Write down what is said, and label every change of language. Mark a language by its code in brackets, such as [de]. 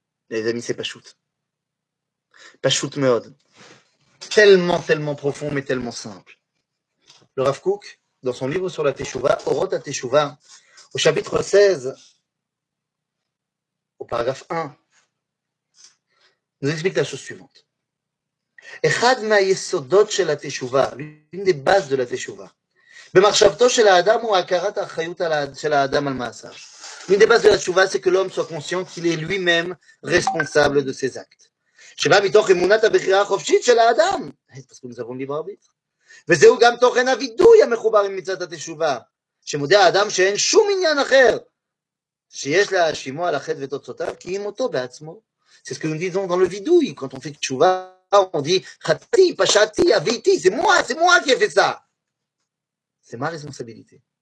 [fr] Les amis, c'est pashut. Pashut meod. Tellement, tellement profond, mais tellement simple. Le Rav Kook, dans son livre sur la Teshuvah, Orot à Teshuvah, au chapitre 16, au paragraphe 1, nous explique la chose suivante. [he] אחד מהיסודות של התשובה, [fr] l'une des bases de la [he] תשובה, במחשבתו של האדם הוא הכרת האחריות של האדם על מעשיו. [fr] l'une des bases de la תשובה, c'est que l'homme soit conscient qu'il est lui-même responsable de ses actes. [he] שבא מתוך אמונת הבחירה החופשית של האדם, [fr] parce que nous avons libre arbitre. [he] וזהו גם תוכן הווידוי המחובר עם מצוות התשובה, שמודה האדם שאין שום עניין אחר, שיש להאשימו על החטא ותוצאותיו, כי אם אותו בעצמו. [fr] c'est ce que nous disons dans le vidouille, quand on fait תשובה, on dit Khati, Pachati, Aviti, c'est moi qui ai fait ça. C'est ma responsabilité.